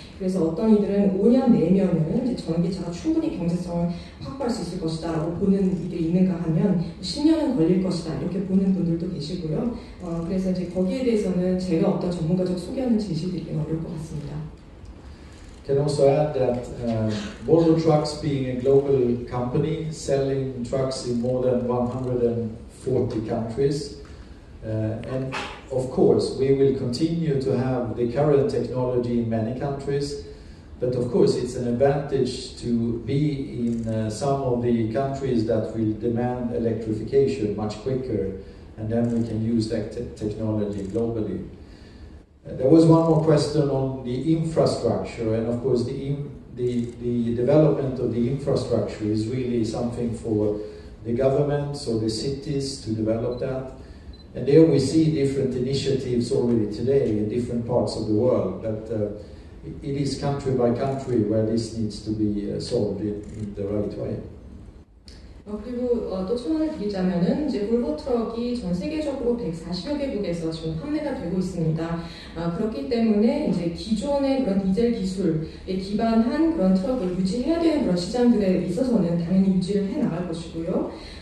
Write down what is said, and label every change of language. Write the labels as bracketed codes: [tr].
[ko] 그래서 어떤 이들은 5년 내면은 이제 전기차가 충분히 경제성을 확보할 수 있을 것이다 라고 보는 이들이 있는가 하면 10년은 걸릴 것이다 이렇게 보는 분들도 계시고요. 그래서 이제 거기에 대해서는 제가 어떤 전문가적 소견을 제시드리기는 어려울 것 같습니다. [en] Can also add that Volvo Trucks, being a global company selling trucks in more than 140 countries, and of course we will continue to have the current technology in many countries, but of course it's an advantage to be in some of the countries that will demand electrification much quicker, and then we can use that technology globally. There was one more question on the infrastructure, and of course the development of the infrastructure is really something for the governments or the cities to develop that. And there we see different initiatives already today in different parts of the world, but it is country by country where this needs to be solved in the right way. [ko] 그리고 또 소문을 드리자면은 이제 볼보 트럭이 전 세계적으로 140여 개국에서 지금 판매가 되고 있습니다. 그렇기 때문에 이제 기존의 그런 디젤 기술에 기반한 그런 트럭을 유지해야 되는 그런 시장들에 있어서는 당연히 유지를 해 나갈 것이고요.